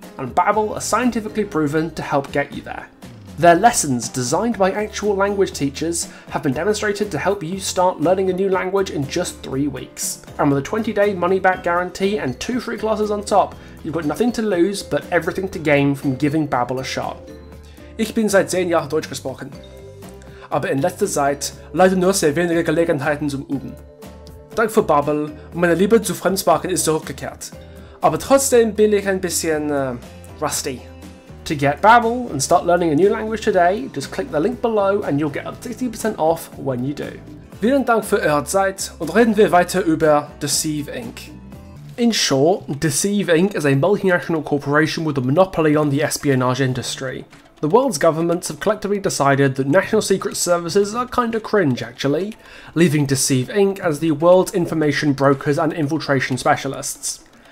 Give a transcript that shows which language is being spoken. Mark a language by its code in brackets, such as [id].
[en] And Babbel are scientifically proven to help get you there. Their lessons, designed by actual language teachers, have been demonstrated to help you start learning a new language in just 3 weeks. And with a 20-day money-back guarantee and 2 free classes on top, you've got nothing to lose but everything to gain from giving Babbel a shot. [de] Ich bin seit 10 Jahren Deutsch gesprochen. Aber in letzter Zeit leider nur sehr wenige Gelegenheiten zum Üben. Dank für Babbel, meine Liebe zu Fremdsprachen ist zurückgekehrt. Aber trotzdem bin ich ein bisschen rusty. [en] To get Babbel and start learning a new language today, just click the link below and you'll get up 60% off when you do. [de] Vielen Dank für eure Zeit und reden wir weiter über DECEIVE Inc. [en] In short, DECEIVE Inc. is a multinational corporation with a monopoly on the espionage industry. The world's governments have collectively decided that national secret services are kinda cringe, actually, leaving DECEIVE Inc. as the world's information brokers and infiltration specialists.